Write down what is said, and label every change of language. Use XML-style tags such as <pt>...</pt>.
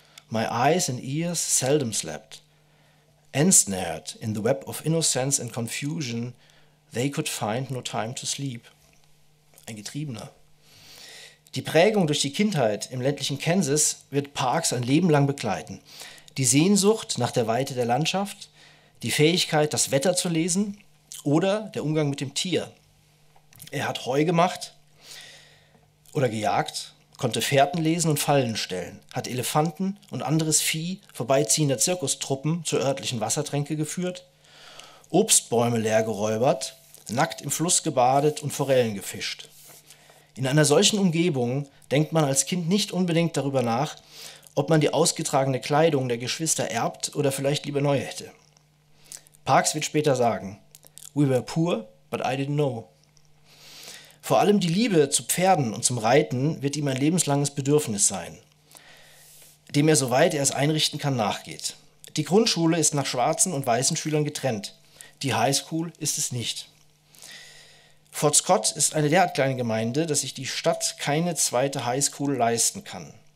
<en>My eyes and ears seldom slept. Ensnared in the web of innocence and confusion, they could find no time to sleep.</en> <de>Ein Getriebener. Die Prägung durch die Kindheit im ländlichen Kansas wird Parks ein Leben lang begleiten. Die Sehnsucht nach der Weite der Landschaft, die Fähigkeit, das Wetter zu lesen, oder der Umgang mit dem Tier. Er hat Heu gemacht oder gejagt, konnte Fährten lesen und Fallen stellen, hat Elefanten und anderes Vieh vorbeiziehender Zirkustruppen zur örtlichen Wassertränke geführt, Obstbäume leergeräubert, nackt im Fluss gebadet und Forellen gefischt. In einer solchen Umgebung denkt man als Kind nicht unbedingt darüber nach, ob man die ausgetragene Kleidung der Geschwister erbt oder vielleicht lieber neu hätte. Parks wird später sagen:</de> <en>We were poor, but I didn't know.</en> <de>Vor allem die Liebe zu Pferden und zum Reiten wird ihm ein lebenslanges Bedürfnis sein, dem er, soweit er es einrichten kann, nachgeht. Die Grundschule ist nach schwarzen und weißen Schülern getrennt. Die Highschool ist es nicht. Fort Scott ist eine derart kleine Gemeinde, dass sich die Stadt keine zweite Highschool leisten kann.</de>